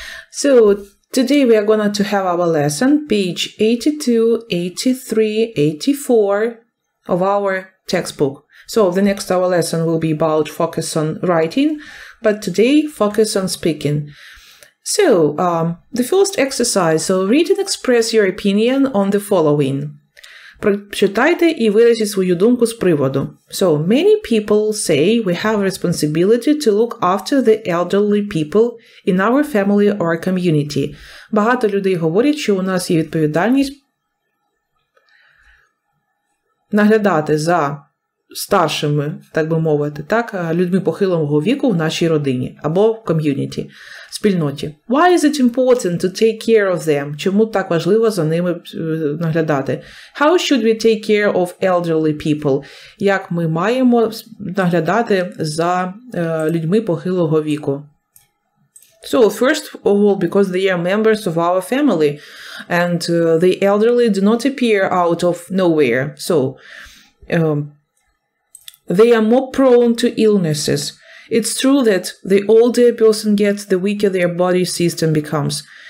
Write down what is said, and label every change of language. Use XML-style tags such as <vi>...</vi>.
<en>So, today we are going to have our lesson, page 82, 83, 84 of our textbook. So, the next our lesson will be about focus on writing, but today focus on speaking. So, the first exercise. So, read and express your opinion on the following.</en> <uk>Прочитайте і виразіть свою думку з приводу.</uk> <en>So, many people say we have a responsibility to look after the elderly people in our family or community.</en> <uk>Багато людей говорять, що у нас є відповідальність наглядати за старшими, так би мовити, так, людьми похилого віку в нашій родині або в ком'юніті, в спільноті.</uk> <en>Why is it important to take care of them?</en> <uk>Чому так важливо за ними наглядати?</uk> <en>How should we take care of elderly people?</en> <uk>Як ми маємо наглядати за людьми похилого віку?</uk> <en>So, first of all, because they are members of our family and the elderly do not appear out of nowhere. So, they are more prone to illnesses. It's true that the older a person gets, the weaker their body system becomes.</en>